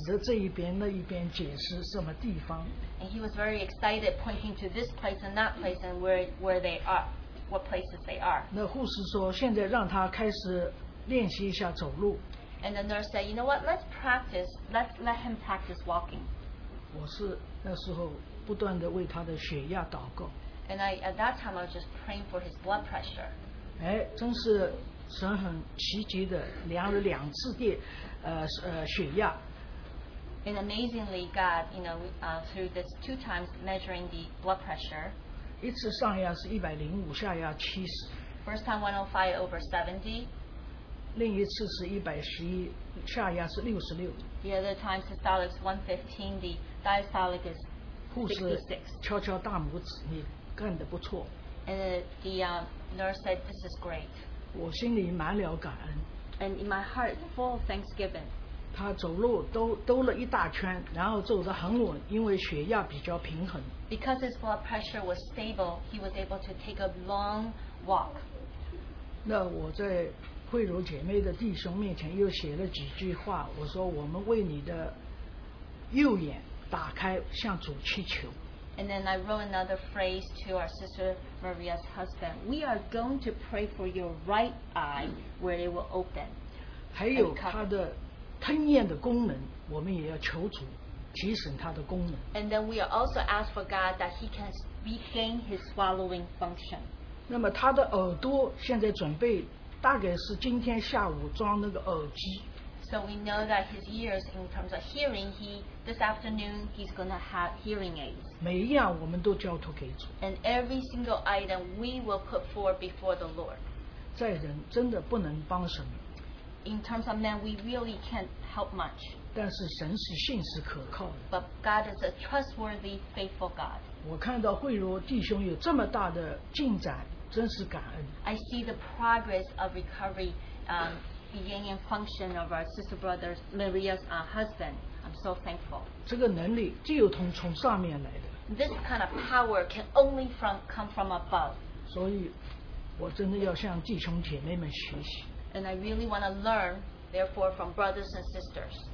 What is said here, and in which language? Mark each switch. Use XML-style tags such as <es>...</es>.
<zh>他好像非常兴奋，指着这一边、那一边解释什么地方。</zh> <en>And he was very excited pointing to this place and that place and where they are, what places they are.</en> <zh>那护士说，现在让他开始练习一下走路。</zh> <en>And the nurse said, you know what, let him practice walking.</en> <zh>我是那时候 不断地为他的血压祷告。</zh> <en>And at that time I was just praying for his blood pressure.</en> <zh>哎，真是神很奇迹的量了两次的血压。</zh> <en>And amazingly, God, you know, through this two times measuring the blood pressure.</en> <zh>一次上压是105，下压70。</zh> <en>First time 105 over 70.</en> <zh>另一次是111，下压是66。</zh> <en>The other time systolic is 115, the diastolic is 66.</en> <zh>护士敲敲大拇指，你干得不错。</zh> <en>And the nurse said, "This is great."</en> <zh>我心里满了感恩。</zh> <en>And in my heart, full of thanksgiving.</en> <zh>他走路兜了一大圈，然后走得很稳，因为血压比较平衡。</zh> <en>Because his blood pressure was stable, he was able to take a long walk.</en> <zh>那我在慧茹姐妹的弟兄面前又写了几句话，我说我们为你的右眼打开，向主祈求。</zh> <en>And then I wrote another phrase to our sister Maria's husband. We are going to pray for your right eye where it will open.</en> <zh>还有他的吞咽的功能，我们也要求主提升他的功能。</zh> <en>And then we also ask for God that he can regain his swallowing function.</en> <zh>那么他的耳朵现在准备，大概是今天下午装那个耳机。</zh> <en>So we know that his ears, in terms of hearing, he this afternoon he's going to have hearing aids.</en> <zh>每一样我们都交托给主。</zh> <en>And every single item we will put forward before the Lord.</en> <zh>在人真的不能帮什么。</zh> <en>In terms of man, we really can't help much.</en> <zh>但是神是信实可靠的。</zh> <en>But God is a trustworthy, faithful God.</en> <zh>我看到慧茹弟兄有这么大的进展，真是感恩。</zh> <en>I see the progress of recovery, beginning function of our sister brother Maria's husband. I'm so thankful.</en> <zh>这个能力只有从上面来的。</zh> <en>This kind of power can only come from above.</en> <zh>所以，我真的要向弟兄姐妹们学习。</zh> <en>And I really want to learn, therefore, from brothers and sisters.</en>